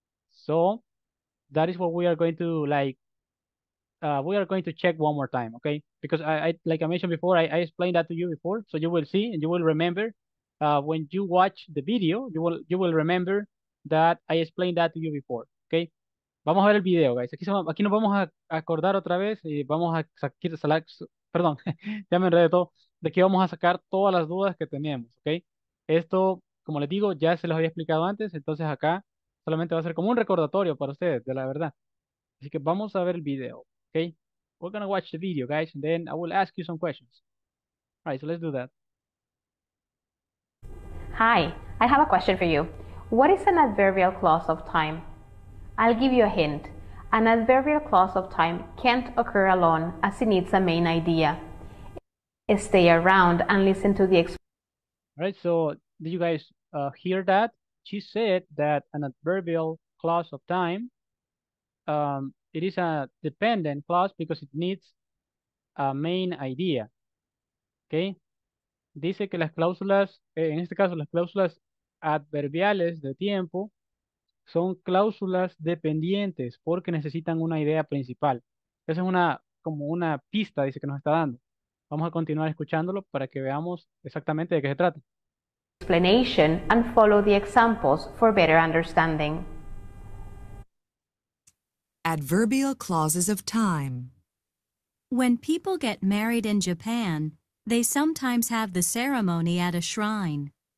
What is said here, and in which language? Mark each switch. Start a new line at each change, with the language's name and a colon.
English: So that is what we are going to like. We are going to check one more time, okay? Because I like I mentioned before, I explained that to you before, so you will see and you will remember. When you watch the video, you will remember that I explained that to you before, okay?
Spanish: Vamos a ver el video, guys. Aquí nos vamos a acordar otra vez y vamos a sacar, perdón, ya me enredé todo, de que vamos a sacar todas las dudas que teníamos, ok? Esto, como les digo, ya se los había explicado antes, entonces acá solamente va a ser como un recordatorio para ustedes, de la verdad. Así que vamos a ver el video, ok?
English: We're gonna watch the video, guys, and then I will ask you some questions. All right, so let's do that. Hi, I have a question for you. What is an adverbial clause of time? I'll give you a hint. An adverbial clause of time can't occur alone as it needs a main idea. Stay around and listen to the All right, so did you guys hear that? She said that an adverbial clause of time, it is a dependent clause because it needs a main idea. Okay?
Spanish: Dice que las cláusulas, en este caso las cláusulas adverbiales de tiempo, son cláusulas dependientes porque necesitan una idea principal. Esa es una, como una pista, dice, que nos está dando. Vamos a continuar escuchándolo para que veamos exactamente de qué se trata.
English: Explanation and follow the examples for better understanding. Adverbial clauses of time. When people get married in Japan, they sometimes have the ceremony at a shrine.